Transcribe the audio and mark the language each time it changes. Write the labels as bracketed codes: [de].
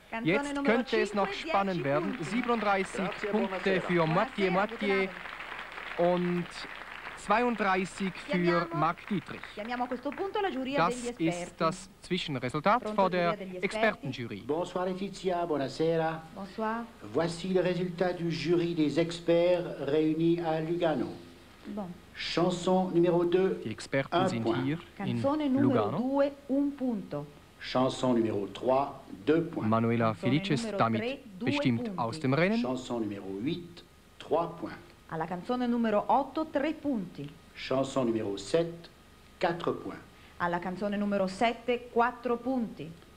[de] Jetzt könnte es noch spannend werden. 37 punkte für Mathieu Mathieu und 32 für Marc Dietrich. Das ist das Zwischenresultat vor der Expertenjury. [fr] Bonsoir Letizia, [it] buonasera. [fr] Bonsoir. Voici le résultat du jury des experts réunis à Lugano. Chanson numéro 2. [de] Die Experten sind hier in Lugano. [fr] Chanson numéro 3, 2 points. [de] Manuela Felice ist damit bestimmt aus dem Rennen. [fr] Chanson numéro 8, 3 points. [it] Alla canzone numero 8, 3 punti. [fr] Chanson numero 7, 4 points. [it] Alla canzone numero 7, 4 punti.